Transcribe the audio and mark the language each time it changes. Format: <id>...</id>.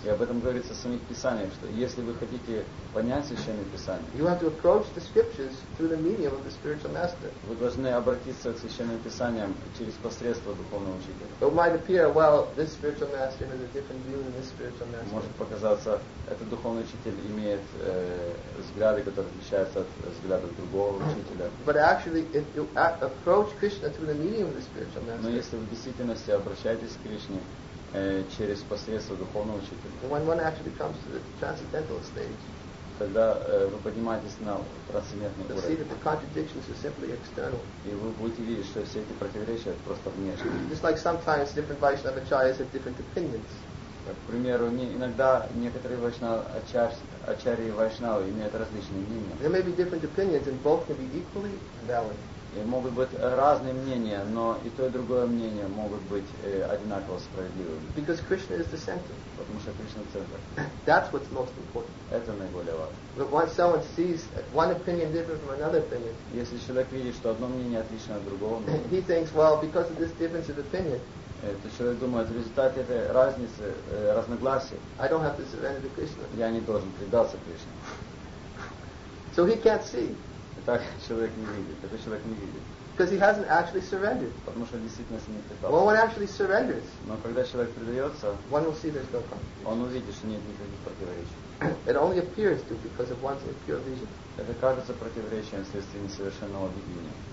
<ru>И об этом говорится в самих Писаниях, что если вы хотите понять Священное Писание.</ru> <en>You have to approach the scriptures through the medium of the spiritual master.</en> <ru>Вы должны обратиться к Священным Писаниям через посредство духовного учителя.</ru> <en>But it might appear, well, this spiritual master has a different view than this spiritual master.</en> <ru>Может показаться, этот духовный учитель имеет взгляды, которые отличаются от взглядов другого учителя.</ru> <en>But actually, approach Krishna through the medium of the spiritual master.</en> <ru>Но если вы в действительности обращаетесь к Кришне через посредство духовного учителя.</ru> <en>When one actually comes to the transcendental stage.</en> <ru>Тогда вы поднимаетесь на трансцендентный уровень.</ru> <en>See that the contradictions are simply external.</en> <ru>И вы будете видеть, что все эти противоречия просто внешние.</ru> <en>Just like sometimes different Vaishnava acharyas have different opinions.</en> <ru>К примеру, иногда некоторые ачарьи вайшнавы имеют различные мнения.</ru> <en>There may be different opinions, and both can be equally valid.</en> <ru>И могут быть разные мнения, но и то, и другое мнение могут быть одинаково справедливыми.</ru> <en>Because Krishna is the center.</en> <ru>Потому что Кришна – центр.</ru> <en>That's what's most important.</en> <ru>Это наиболее важно.</ru> <en>But once someone sees one opinion different from another opinion,</en> <ru>если человек видит, что одно мнение отлично от другого мнения,</ru> <en>he thinks, well, because of this difference of opinion,</en> <ru>этот человек думает, в результате этой разницы, разногласий,</ru> <en>I don't have to surrender to Krishna.</en> <ru>Я не должен предаться Кришне.</ru> <en>So he can't see.</en> <ru>Так человек не видит. Это человек не видит.</ru> <en>Because he hasn't actually surrendered.</en> <ru>Потому что действительно не предался.</ru> <en>Well, one actually surrenders.</en> <ru>Но когда человек предается,</ru> <en>one will see there's no contradiction.</en> <ru>Он увидит, что нет никаких противоречий.</ru> <en>It only appears to because of one's impure vision.</en> <ru>Это кажется противоречием вследствие несовершенного видения.</ru>